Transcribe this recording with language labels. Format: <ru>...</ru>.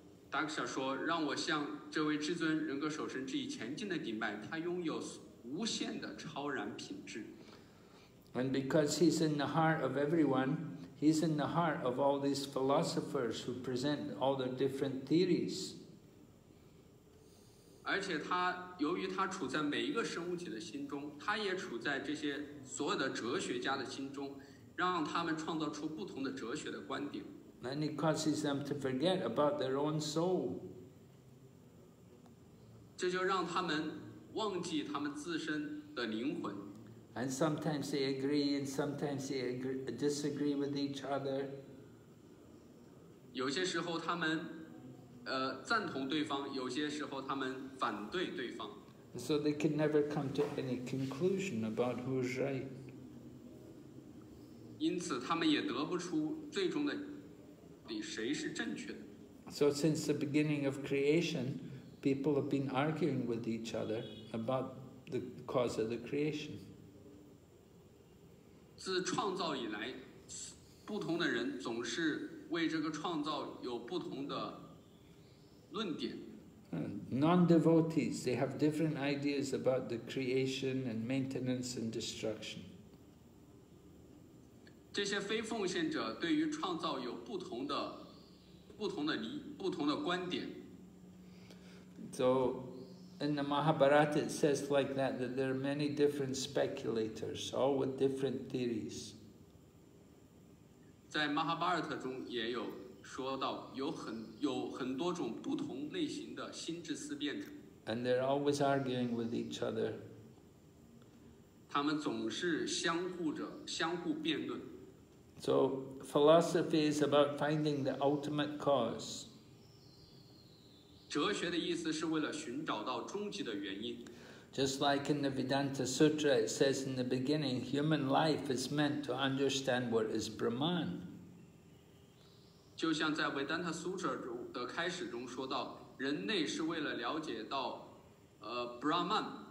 <zh>达克小说，让我向这位至尊人格守神致以前进的顶拜，他拥有无限的超然品质。</zh> <en>And because he's in the heart of everyone, he's in the heart of all these philosophers who present all their different theories.</en> <zh>而且他由于他处在每一个生物体的心中，他也处在这些所有的哲学家的心中，让他们创造出不同的哲学的观点。</zh> <en>And it causes them to forget about their own soul.</en> <zh>这就让他们忘记他们自身的灵魂。</zh> <en>And sometimes they agree, and sometimes they disagree with each other.</en> <zh>有些时候他们赞同对方，有些时候他们反对对方。</zh> <en>So they can never come to any conclusion about who's right.</en> <zh>因此他们也得不出最终的谁是正确的。</zh> <en>So since the beginning of creation, people have been arguing with each other about the cause of the creation.</en> <zh>自创造以来，不同的人总是为这个创造有不同的论点。</zh> <en>Non-devotees, they have different ideas about the creation and maintenance and destruction.</en> <zh>这些非奉献者对于创造有不同的观点。</zh> <en>So, in the Mahabharata, it says like that, that there are many different speculators, all with different theories.</en> <zh>在 Mahabharata 中也有说到，有很多种不同类型的心智思辨者。</zh> <en>And they're always arguing with each other.</en> <zh>他们总是相互辩论。</zh> <en>So philosophy is about finding the ultimate cause.</en> <zh>哲学的意思是为了寻找到终极的原因。</zh> <en>Just like in the Vedanta Sutra, it says in the beginning, human life is meant to understand what is Brahman.</en> <zh>就像在 Vedanta Sutra 的开始中说到，人类是为了了解到Brahman.</zh>